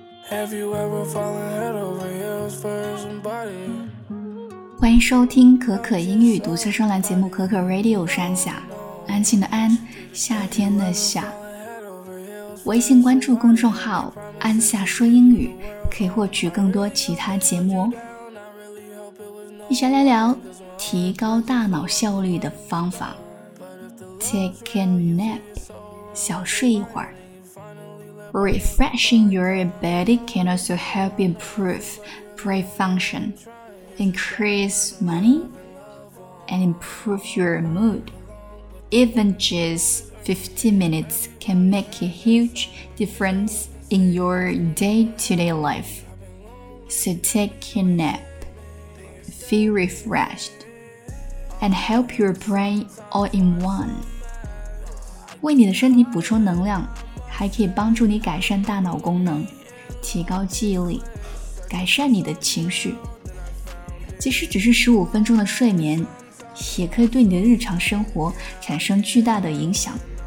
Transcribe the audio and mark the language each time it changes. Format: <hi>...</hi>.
<en>Have you ever fallen head over heels for somebody?</en> <zh>欢迎收听可可英语独家专栏节目可可 Radio， 我是安夏，安静的安，夏天的夏。微信关注公众号安夏说英语，可以获取更多其他节目哦。一起来聊聊提高大脑效率的方法。</zh> <en>Take a nap，</en> <zh>小睡一会儿。</zh> <en>Refreshing your body can also help improve brain function, increase money, and improve your mood. Even just 15 minutes can make a huge difference in your day-to-day life. So take a nap, feel refreshed, and help your brain all in one.</en> <zh>为你的身体补充能量，还可以帮助你改善大脑功能，提高记忆力，改善你的情绪。即使只是15分钟的睡眠，也可以对你的日常生活产生巨大的影响。</zh>